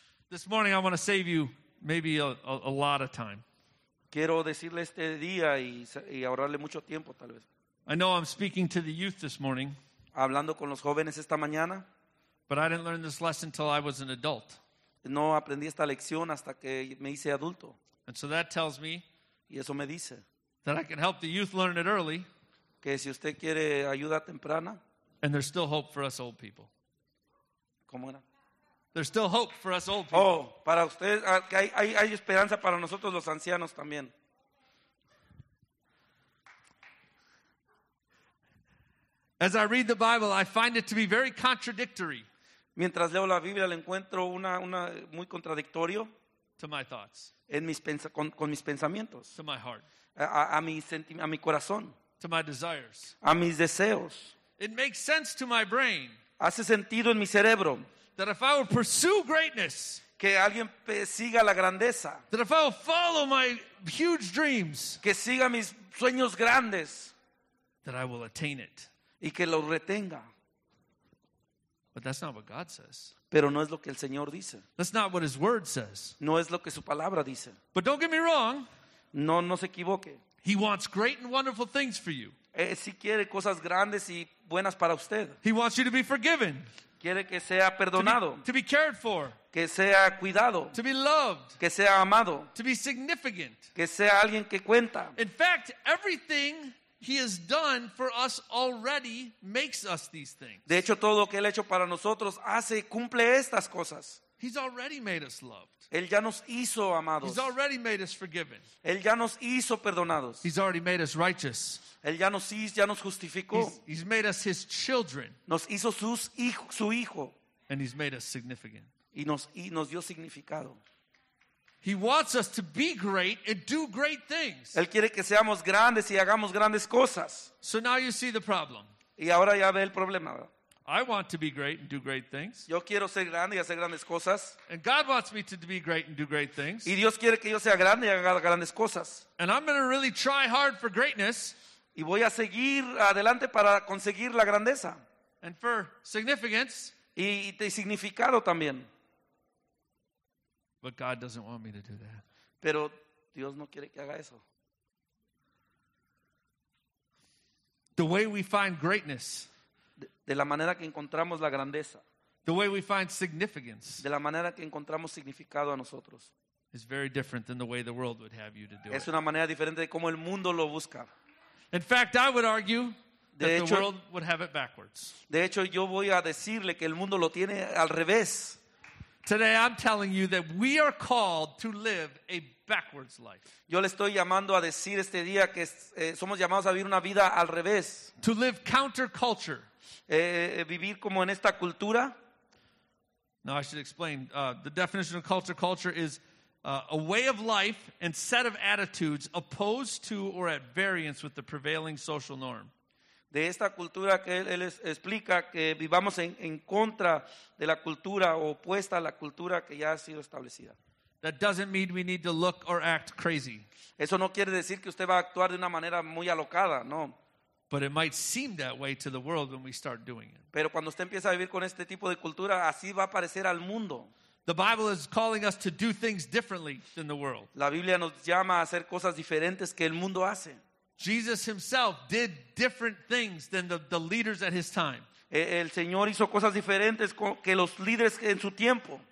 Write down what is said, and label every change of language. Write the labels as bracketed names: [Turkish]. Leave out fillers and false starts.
[English] This morning I want to save you maybe a lot of time. [Spanish] Quiero decirle este día y ahorrarle mucho tiempo tal vez. [English] I know I'm speaking to the youth this morning. [Spanish] Hablando con los jóvenes esta mañana. [English] But I didn't learn this lesson until I was an adult. [Spanish] No aprendí esta lección hasta que me hice adulto. [English] And so that tells me, [Spanish] y eso me dice, [English] that I can help the youth learn it early. [Spanish] Que si usted quiere ayuda temprana, [English] and there's still hope for us old people. [Spanish] ¿Cómo era? [English] There's still hope for us old people. [Spanish] Oh, para usted, hay esperanza para nosotros los ancianos también. [English] As I read the Bible, I find it to be very contradictory. [Spanish] Mientras leo la Biblia, le encuentro una muy contradictorio. [English] To my thoughts. [Spanish] En mis con mis pensamientos. [English] To my heart. [Spanish] A mi corazón. [English] To my desires. [Spanish] A mis deseos. [English] It makes sense to my brain. [Spanish] Hace sentido en mi cerebro. [English] That if I will pursue greatness. [Spanish] Que alguien siga la grandeza. [English] That if I will follow my huge dreams. [Spanish] Que siga mis sueños grandes. [English] That I will attain it. [Spanish] Y que lo retenga. [English] But that's not what God says. [Spanish] Pero no es lo que el Señor dice. [English] That's not what his word says. [Spanish] No es lo que su palabra dice. [English] But don't get me wrong. [Spanish] No se equivoque. [English] He wants great and wonderful things for you. [Spanish] Si quiere cosas grandes y buenas para usted. [English] He wants you to be forgiven. [Spanish] Quiere que sea perdonado. [English] To be cared for. [Spanish] Que sea cuidado. [English] To be loved. [Spanish] Que sea amado. [English] To be significant. [Spanish] Que sea alguien que cuenta. [English] In fact, everything he has done for us already makes us these things. [Spanish] De hecho, todo lo que él ha hecho para nosotros hace cumple estas cosas. [English] He's already made us loved. [Spanish] Él ya nos hizo amados. [English] He's already made us forgiven. [Spanish] Él ya nos hizo perdonados. [English] He's already made us righteous. [Spanish] Él ya nos justificó. [English] He's made us his children. [Spanish] Nos hizo su hijo. [English] And he's made us significant. [Spanish] Y nos dio significado. [English] He wants us to be great and do great things. [Spanish] Él quiere que seamos grandes y hagamos grandes cosas. [English] So now you see the problem. [Spanish] Y ahora ya ve el problema. [English] I want to be great and do great things. [Spanish] Yo quiero ser grande y hacer grandes cosas. [English] And God wants me to be great and do great things. [Spanish] Y Dios quiere que yo sea grande y haga grandes cosas. [English] And I'm going to really try hard for greatness. [Spanish] Y voy a seguir adelante para conseguir la grandeza. [English] And for significance. [Spanish] Y de significado también. [English] But God doesn't want me to do that. [Spanish] Pero Dios no quiere que haga eso. [English] The way we find greatness. [Spanish] De la manera que encontramos la grandeza. [English] The way we find significance. [Spanish] De la manera que encontramos significado a nosotros. [English] Is very different than the way the world would have you to do it. [Spanish] Es una manera diferente de cómo el mundo lo busca. [English] In fact, I would argue that the world would have it backwards. [Spanish] De hecho, yo voy a decirle que el mundo lo tiene al revés. [English] Today I'm telling you that we are called to live a backwards life. [Spanish] Yo le estoy llamando a decir este día que somos llamados a vivir una vida al revés. [English] To live counterculture. [Spanish] Vivir como en esta cultura. [English] Now I should explain. The definition of culture is a way of life and set of attitudes opposed to or at variance with the prevailing social norm. [Spanish] De esta cultura que él explica que vivamos en contra de la cultura o opuesta a la cultura que ya ha sido establecida. [English] That doesn't mean we need to look or act crazy. [Spanish] Eso no quiere decir que usted va a actuar de una manera muy alocada, no. [English] But it might seem that way to the world when we start doing it. [Spanish] Pero cuando usted empieza a vivir con este tipo de cultura, así va a parecer al mundo. [English] The Bible is calling us to do things differently than the world. [Spanish] La Biblia nos llama a hacer cosas diferentes que el mundo hace. [English] Jesus himself did different things than the leaders at his time. [Spanish] El Señor hizo cosas diferentes que los líderes en su tiempo.